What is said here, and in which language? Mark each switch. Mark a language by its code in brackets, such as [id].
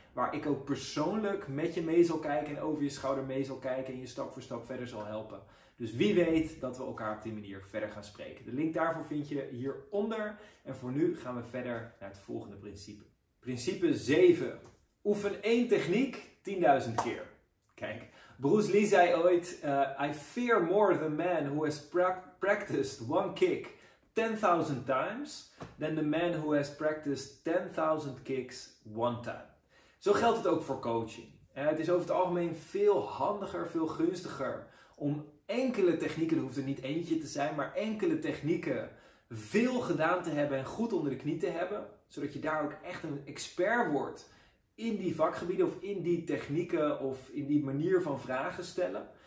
[nl] Waar ik ook persoonlijk met je mee zal kijken en over je schouder mee zal kijken en je stap voor stap verder zal helpen. Dus wie weet dat we elkaar op die manier verder gaan spreken. De link daarvoor vind je hieronder. En voor nu gaan we verder naar het volgende principe. Principe 7. Oefen één techniek 10.000 keer. Kijk, Bruce Lee zei ooit, [en] I fear more the man who has practiced one kick 10.000 times than the man who has practiced 10.000 kicks one time. [nl] Zo geldt het ook voor coaching. Het is over het algemeen veel handiger, veel gunstiger om enkele technieken, er hoeft er niet eentje te zijn, maar enkele technieken veel gedaan te hebben en goed onder de knie te hebben. Zodat je daar ook echt een expert wordt in die vakgebieden of in die technieken of in die manier van vragen stellen.